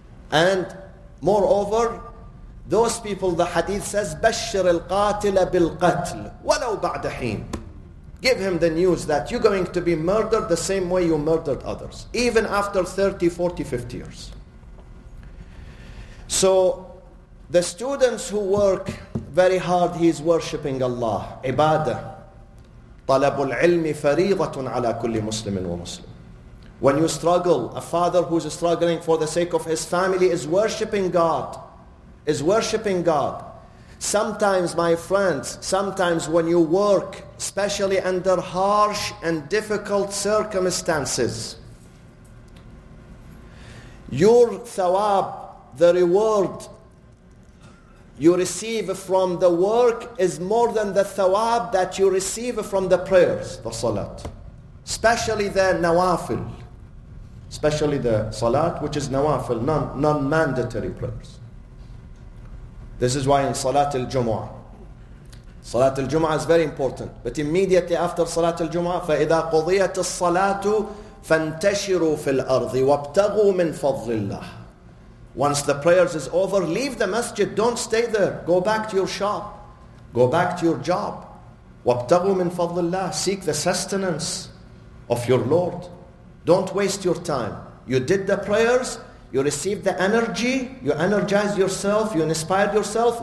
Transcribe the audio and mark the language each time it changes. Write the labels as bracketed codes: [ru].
[en] And moreover, those people, the hadith says, [ar] بشر القاتل بالقتل ولو بعد حين. [en] Give him the news that you're going to be murdered the same way you murdered others, even after 30, 40, 50 years. So the students who work very hard, he's worshipping Allah. Ibadah. [ar] طلب العلم فريضة على كل مسلم ومسلم. [en] When you struggle, a father who's struggling for the sake of his family is worshipping God. Is worshipping God. Sometimes, my friends, sometimes when you work, especially under harsh and difficult circumstances, your thawab, the reward you receive from the work is more than the thawab that you receive from the prayers, the salat. Especially the nawafil. Especially the salat, which is nawafil, non-mandatory prayers. This is why in Salat al-Jum'ah. Salat al-Jum'ah is very important. But immediately after Salat al-Jum'ah, [ar] فَإِذَا قُضِيَتِ الصَّلَاةُ فَانْتَشِرُوا فِي الْأَرْضِ وَابْتَغُوا مِنْ فَضْلِ اللَّهِ. [en] Once the prayers is over, leave the masjid. Don't stay there. Go back to your shop. Go back to your job. [ar] وَابْتَغُوا مِنْ فَضْلِ اللَّهِ. [en] Seek the sustenance of your Lord. Don't waste your time. You did the prayers. You received the energy. You energized yourself. You inspired yourself.